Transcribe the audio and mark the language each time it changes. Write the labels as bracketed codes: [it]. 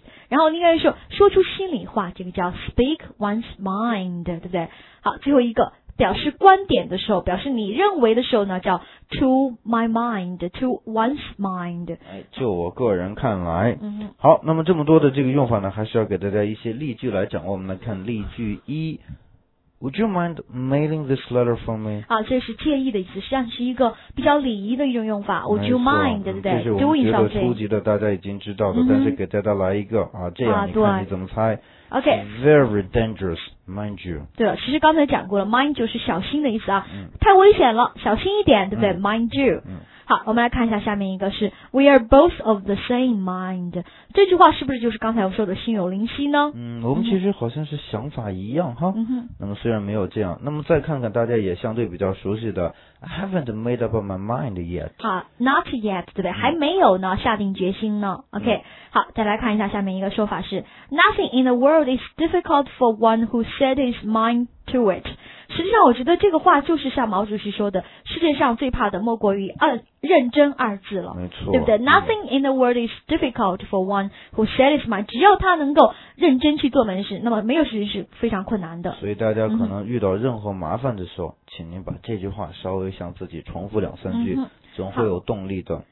[zh] 然后应该说说出心里话，这个叫 [en] speak one's mind， [zh] 对不对？好，最后一个表示观点的时候，表示你认为的时候呢，叫 [en] to my mind， to one's mind。 [zh] 就我个人看来，嗯，好，那么这么多的这个用法呢，还是要给大家一些例句来掌握。我们来看例句一。 [en] Would you mind mailing this letter for me? [zh] 啊，这是建议的意思，实际上是一个比较礼仪的一种用法。 [en] Would you mind, [zh] 对不对？这是我们觉得初级的，大家已经知道的，嗯，但是给大家来一个啊，这样，啊，你看你怎么猜？OK, [en] very dangerous, mind you. [zh] 对，其实刚才讲过了 ，mind 就是小心的意思啊，嗯，太危险了，小心一点，对不对，嗯， [en] ？Mind you，嗯。 [zh] 好，我们来看一下下面一个是 [en] We are both of the same mind。 [zh] 这句话是不是就是刚才我说的心有灵犀呢？嗯，我们其实好像是想法一样哈。嗯哼。那么虽然没有这样，那么再看看大家也相对比较熟悉的 [en] I haven't made up my mind yet。 [zh] 啊 ， [en] not yet， [zh] 对不对？还没有呢，下定决心呢。 OK，好，再来看一下下面一个说法是 [en] Nothing in the world is difficult for one who set his mind to it。 [zh] 实际上我觉得这个话就是像毛主席说的，世界上最怕的莫过于认真二字了，没错，对不对？ [en] Nothing in the world is difficult for one who set his mind， [zh] 只要他能够认真去做门事，那么没有事情是非常困难的。所以大家可能遇到任何麻烦的时候，请您把这句话稍微向自己重复两三句，总会有动力的。